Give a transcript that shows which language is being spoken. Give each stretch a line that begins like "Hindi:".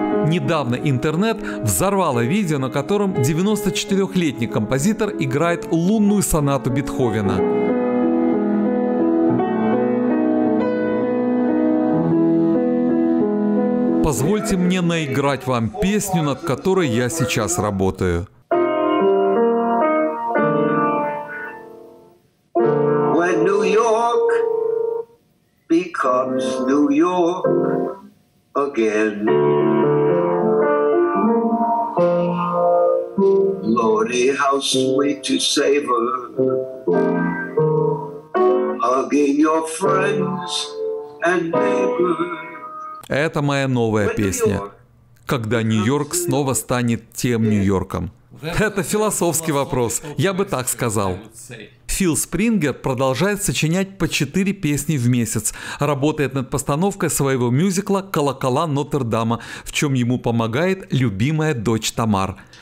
Russian: Недавно интернет взорвало видео, на котором 94-летний композитор играет лунную сонату Бетховена. Позвольте мне наиграть вам песню, над которой я сейчас работаю.
English: When New York becomes New York again. Lordy, how sweet to savor. Hugging your friends and neighbors.
Russian: Это моя новая песня. Когда Нью-Йорк снова станет тем Нью-Йорком? Это философский вопрос, я бы так сказал. Фил Спрингер продолжает сочинять по 4 песни в месяц, работает над постановкой своего мюзикла «Колокола Нотр-Дама», в чем ему помогает любимая дочь Тамар.